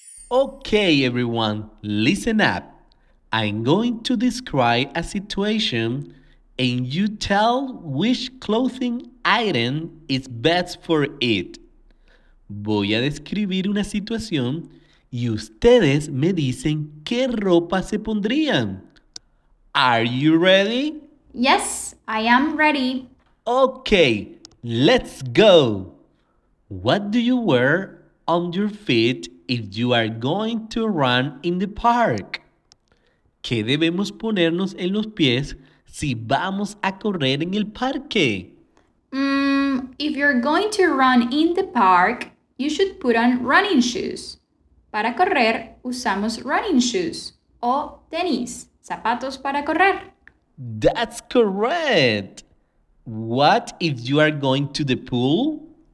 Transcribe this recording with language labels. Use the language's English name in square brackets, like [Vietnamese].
[English] Okay, everyone, listen up. I'm going to describe a situation and you tell which clothing item is best for it. [Spanish] Voy a describir una situación y ustedes me dicen qué ropa se pondrían. [English] Are you ready? Yes, I am ready. Okay, let's go. What do you wear on your feet if you are going to run in the park? [Spanish] ¿Qué debemos ponernos en los pies si vamos a correr en el parque? [English] If you're going to run in the park, you should put on running shoes. [Spanish] Para correr, usamos running shoes o tenis, zapatos para correr. [English] That's correct. What if you are going to the pool?